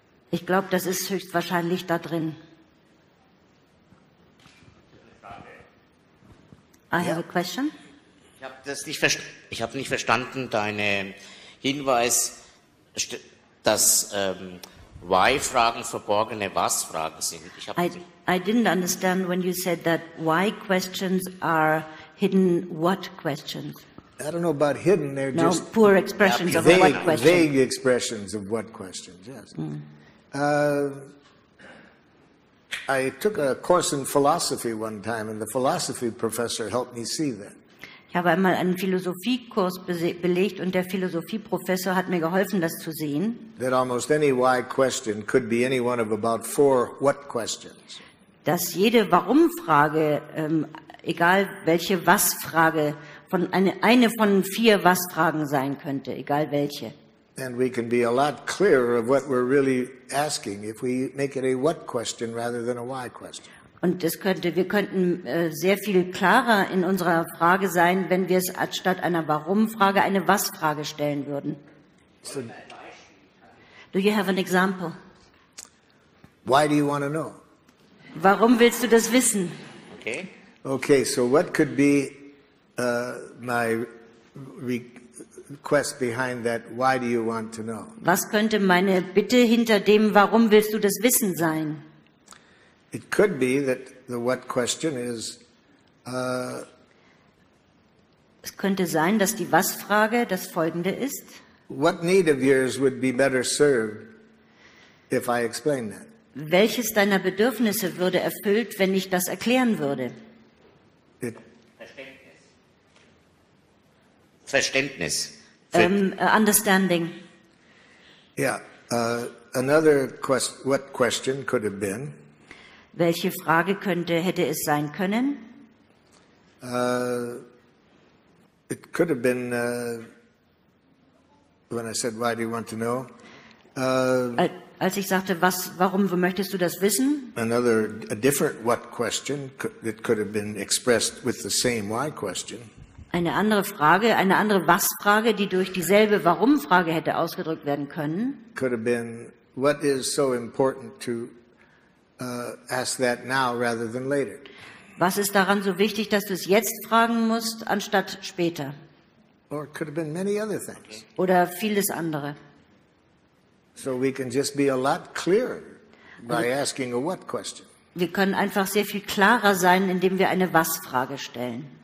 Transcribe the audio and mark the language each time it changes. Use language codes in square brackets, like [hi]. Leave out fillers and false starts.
[de] Ich glaube, das ist höchstwahrscheinlich da drin. [en] I have a question. [de] Ich habe das nicht verstanden. Ich habe nicht verstanden deinen Hinweis, dass Why-Fragen verborgene Was-Fragen sind. [en] I didn't understand when you said that why questions are hidden what questions. I don't know about hidden, they're no, just poor expressions of what questions. Vague expressions of what questions, yes. I took a course in philosophy one time and the philosophy professor helped me see that. [de] Ich habe einmal einen Philosophiekurs belegt und der Philosophieprofessor hat mir geholfen, das zu sehen. [en] That almost any why question could be any one of about 4 what questions. [de] Dass jede Warum-Frage, egal welche Was-Frage, von eine von 4 Was-Fragen sein könnte, egal welche. [en] And we can be a lot clearer of what we're really asking if we make it a what question rather than a why question. [de] Und es könnte, wir könnten sehr viel klarer in unserer Frage sein, wenn wir es anstatt einer Warum-Frage eine Was-Frage stellen würden. [en] So, do you have an example? Why do you want to know? [de] Warum willst du das wissen? [en] Okay. Okay, so what could be my request behind that, why do you want to know? [de] Was könnte meine Bitte hinter dem, warum willst du das wissen sein? [en] It could be that the what question is [de] Es könnte sein, dass die Was-Frage das folgende ist. [en] What need of yours would be better served if I explain that? [de] Welches deiner Bedürfnisse würde erfüllt, wenn ich das erklären würde? Verständnis. [en] Understanding. Yeah. Another question, what question could have been? [de] Welche Frage könnte, hätte es sein können? [en] It could have been, when I said, why do you want to know? [de] Als ich sagte, was, warum möchtest du das wissen? [en] Another, a different what question that could have been expressed with the same why question. [de] Eine andere Frage, eine andere Was-Frage, die durch dieselbe Warum-Frage hätte ausgedrückt werden können. [en] Could have been, what is so important to ask that now rather than later? [de] Was ist daran so wichtig, dass du es jetzt fragen musst, anstatt später? [en] Or could have been many other things. [de] Oder vieles andere. [en] So we can just be a lot clearer by asking a what question. [de] Wir können einfach sehr viel klarer sein, indem wir eine Was-Frage stellen.